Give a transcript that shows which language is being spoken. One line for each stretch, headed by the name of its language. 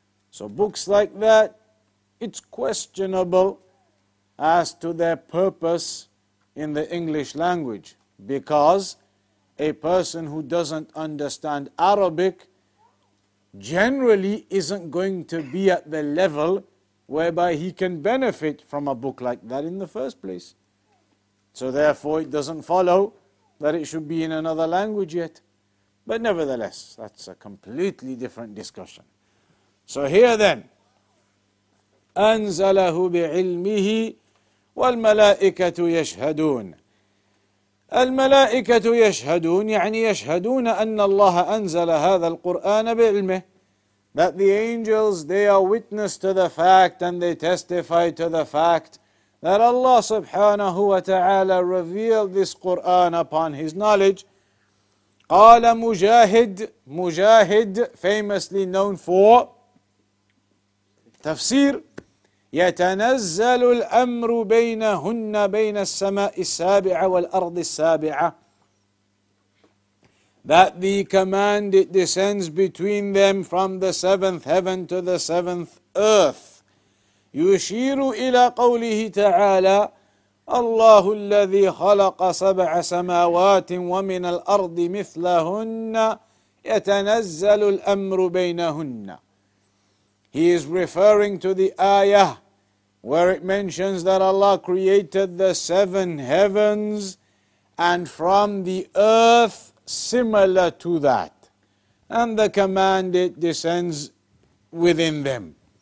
English: So books like that, it's questionable as to their purpose in the English language, because a person who doesn't understand Arabic generally isn't going to be at the level whereby he can benefit from a book like that in the first place. So therefore it doesn't follow that it should be in another language yet. But nevertheless, that's a completely different discussion. So here then,
Arabic: أَنزَلَهُ بِعِلْمِهِ والملائكة يشهدون الملائكة يشهدون يعني يشهدون أن الله أنزل هذا القرآن بعلمه.
English: That the angels, they are witness to the fact and they testify to the fact that Allah subhanahu wa ta'ala revealed this Quran upon his knowledge.
Arabic: قال مجاهد, مجاهد
English: famously known for
Arabic: تفسير. يتنزل الأمر بينهن بين السماء السابعة والأرض السابعة.
English: That the command, it descends between them from the seventh heaven to the seventh earth.
Arabic: يشير إلى قوله تعالى الله الذي خلق سبع سماوات ومن الأرض مثلهن يتنزل الأمر بينهن.
English: He is referring to the ayah where it mentions that Allah created the seven heavens and from the earth similar to that. And the command, it descends within them.